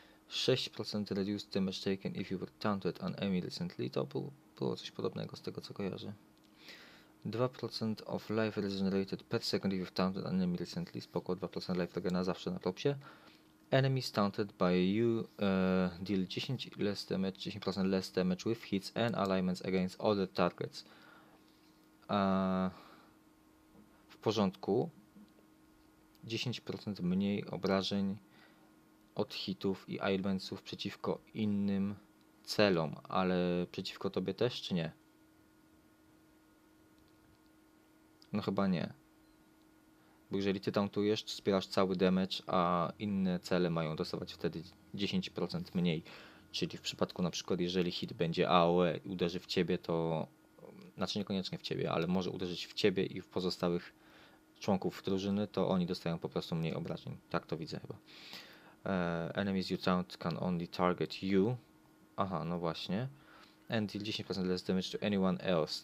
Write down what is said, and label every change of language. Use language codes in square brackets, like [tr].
[en] 6% reduced damage taken if you were taunted an enemy recently. [pl] To było coś podobnego z tego co kojarzę. [en] 2% of life regenerated per second if you were taunted an enemy recently. [pl] Spoko, 2% life regen na zawsze na propsie. [en] Enemies taunted by you deal 10% less damage with hits and alignments against other targets. [pl] W porządku. 10% mniej obrażeń od hitów i ailmentsów przeciwko innym celom, ale przeciwko tobie też, czy nie? No chyba nie. Bo jeżeli ty tauntujesz, to zbierasz cały damage, a inne cele mają dostawać wtedy 10% mniej. Czyli w przypadku na przykład, jeżeli hit będzie AOE i uderzy w ciebie, to... Znaczy niekoniecznie w ciebie, ale może uderzyć w ciebie i w pozostałych członków drużyny, to oni dostają po prostu mniej obrażeń. Tak to widzę chyba. [en] Enemies you taunt can only target you. [pl] Aha, no właśnie. [en] And deal 10% less damage to anyone else.